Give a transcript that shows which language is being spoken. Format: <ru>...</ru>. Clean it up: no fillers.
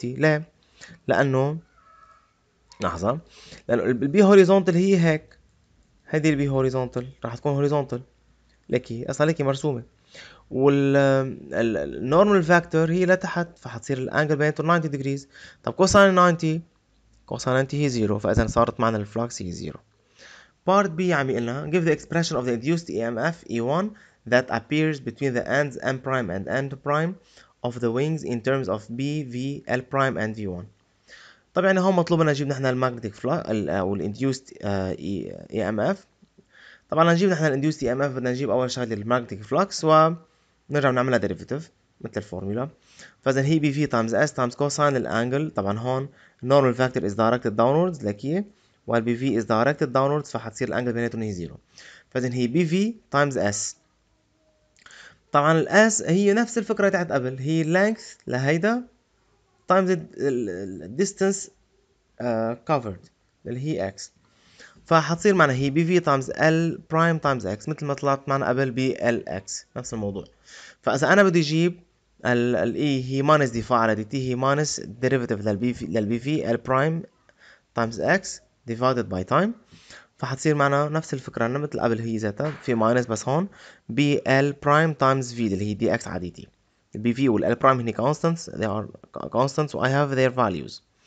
<ar>ليه؟ لانه لحظه، لانه البي هوريزونتال هي هيك، هذه البي هوريزونتال راح تكون هوريزونتال لكي اصلا لكي مرسومه، والنورمال فاكتور هي لتحت، فحتصير الانجل بينتو 90 ديجريز. طب كوساين 90 كوساين هي 0، فاذا صارت معنا الفلوكس هي 0. بارت بي عم يقول لنا</ar> <en>give the expression of the induced EMF E1 that appears between the ends M prime and N prime of the wings in terms of B, V, L prime and V1.</en> <ar>طبعا يعني هون مطلوب لنا نجيب نحن الماجنتيك فلوكس او الانديوست EMF. طبعا نجيب نحن الانديوست EMF بدنا نجيب اول شغله الماجنتيك فلوكس ونرجع نعملها ديريفيتيف مثل الفورمولا. فاذا هي بي في تايمز اس تايمز كوساين الانجل، طبعا هون النورمال فاكتور از دايركتد داونوردز لكي، والبي في از دايركتد داونوردز، فحتصير الانجل بيناتهم هي زيرو. فاذا هي بي في تايمز اس، طبعا الاس هي نفس الفكره تاعت قبل، هي لينث لهيدا تايمز الديستنس كفرد اللي هي اكس، فحتصير معنا هي بي في تايمز ال برايم تايمز اكس مثل ما طلعت معنا قبل بي ال اكس، نفس الموضوع. فاذا انا بدي اجيب ال e هي minus دفاع على dt هي minus derivative لل bv l prime times x</ar> <en>divided by time،</en> <ar>فحتصير معنا نفس الفكرة لنا مثل قبل، هي ذاتها في minus بس هون b l prime times v اللي هي dx على dt.</ar> <en>ال bv وال l prime هني constants، they are constants so I have their values.</en>